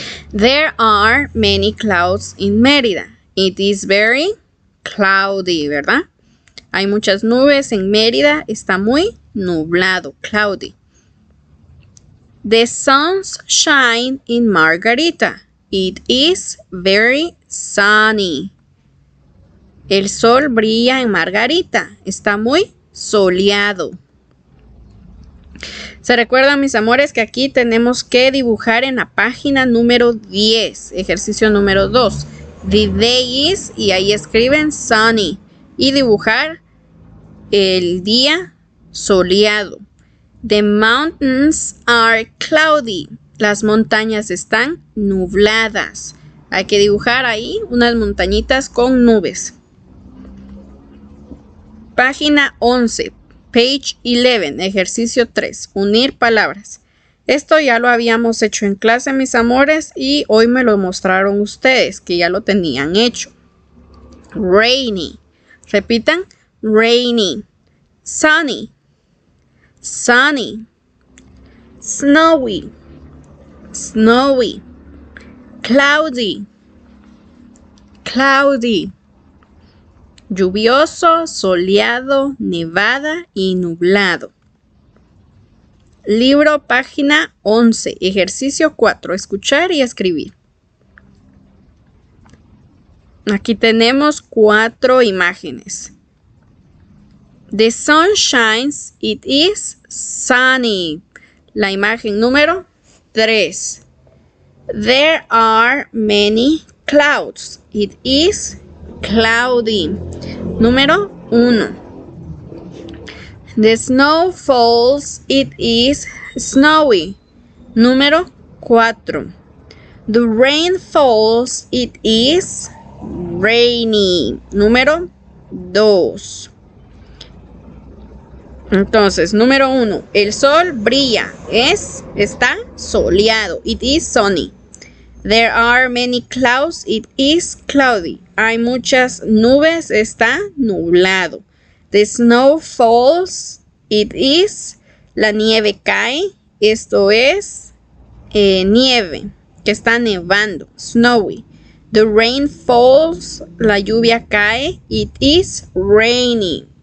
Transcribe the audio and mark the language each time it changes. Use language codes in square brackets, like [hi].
[en] There are many clouds in Mérida. It is very cloudy, [es] ¿verdad? Hay muchas nubes en Mérida, está muy nublado, cloudy. [en] The sun shines in Margarita. It is very sunny. [es] El sol brilla en Margarita, está muy soleado. ¿Se recuerdan, mis amores, que aquí tenemos que dibujar en la página número 10, ejercicio número 2? [en] The day is, [es] y ahí escriben sunny, y dibujar el día soleado. [en] The mountains are cloudy. [es] Las montañas están nubladas. Hay que dibujar ahí unas montañitas con nubes. Página 11, [en] page 11, [es] ejercicio 3, unir palabras. Esto ya lo habíamos hecho en clase, mis amores, y hoy me lo mostraron ustedes, que ya lo tenían hecho. [en] Rainy. Repitan. Rainy. Sunny. Sunny. Snowy. Snowy. Cloudy. Cloudy. [es] Lluvioso, soleado, nevada y nublado. Libro, página 11, ejercicio 4, escuchar y escribir. Aquí tenemos cuatro imágenes. [en] The sun shines, it is sunny. [es] La imagen número 3. [en] There are many clouds, it is cloudy. [es] Número 1. [en] The snow falls, it is snowy. [es] Número 4. [en] The rain falls, it is rainy. [es] Número 2. Entonces, número 1. El sol brilla. Está soleado. [en] It is sunny. There are many clouds, it is cloudy. [es] Hay muchas nubes, está nublado. [en] The snow falls, it is. [es] La nieve cae, esto es nieve, que está nevando, snowy. [en] The rain falls, [es] la lluvia cae, [en] it is rainy.